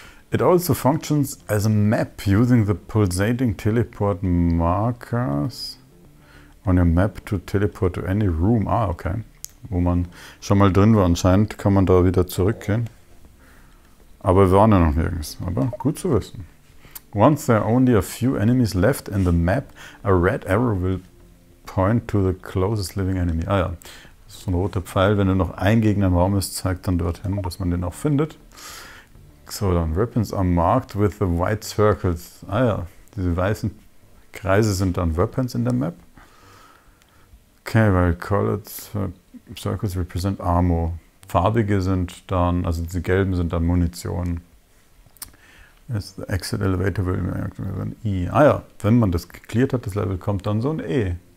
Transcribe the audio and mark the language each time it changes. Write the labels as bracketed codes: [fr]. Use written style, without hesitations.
[en] It also functions as a map using the pulsating teleport markers on your map to teleport to any room. [de] Ah, okay. Wo man schon mal drin war anscheinend, kann man da wieder zurückgehen. Aber wir waren ja noch nirgends. Aber gut zu wissen. [en] Once there are only a few enemies left in the map, a red arrow will point to the closest living enemy. [de] Ah ja, das ist so ein roter Pfeil. Wenn nur noch ein Gegner im Raum ist, zeigt dann dorthin, dass man den auch findet. So, dann [en] Weapons are marked with the white circles. [de] Ah ja, diese weißen Kreise sind dann Weapons in der Map. [en] Okay, weil colored circles represent armor. [de] Farbige sind dann, also diese gelben sind dann Munition. Ist [en] the exit elevator will be marked with an E. [de] Ah ja, wenn man das geklärt hat, das Level kommt dann so ein E.